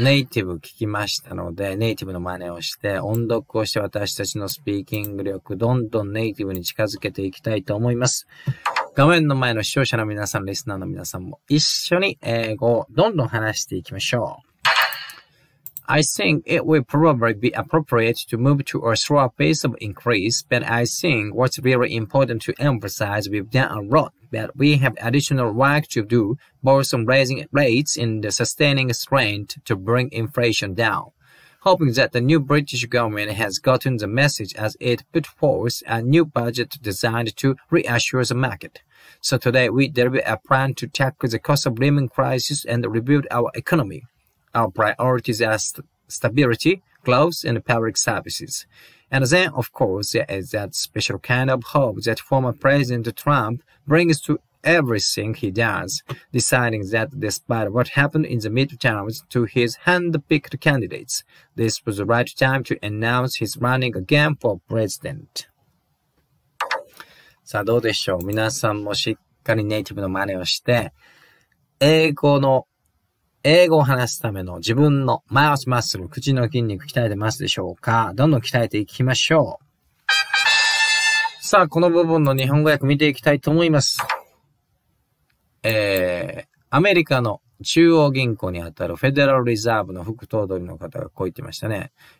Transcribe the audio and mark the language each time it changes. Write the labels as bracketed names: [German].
[Japanese] ネイティブ聞きましたので、ネイティブの真似をして、音読をして私たちのスピーキング力、どんどんネイティブに近づけていきたいと思います。画面の前の視聴者の皆さん、リスナーの皆さんも一緒に英語をどんどん話していきましょう。 [English] I think it will probably be appropriate to move to a slower pace of increase, but I think what's really important to emphasize, we've done a lot, but we have additional work to do, both on raising rates and the sustaining strength to bring inflation down. Hoping that the new British government has gotten the message as it put forth a new budget designed to reassure the market. So today we deliver a plan to tackle the cost of living crisis and rebuild our economy. Our priorities are stability, growth, and public services. And then, of course, there is that special kind of hope that former President Trump brings to everything he does, deciding that despite what happened in the midterms to his hand-picked candidates, this was the right time to announce his running again for president. [Japanese] さあ、どうでしょう。皆さんもしっかりネイティブの真似をして、英語を話すための自分のマウスマッスル、口の筋肉鍛えてますでしょうか？どんどん鍛えていきましょう。さあ、この部分の日本語訳見ていきたいと思います。アメリカの中央銀行にあたるフェデラルリザーブの副頭取の方がこう言ってましたね。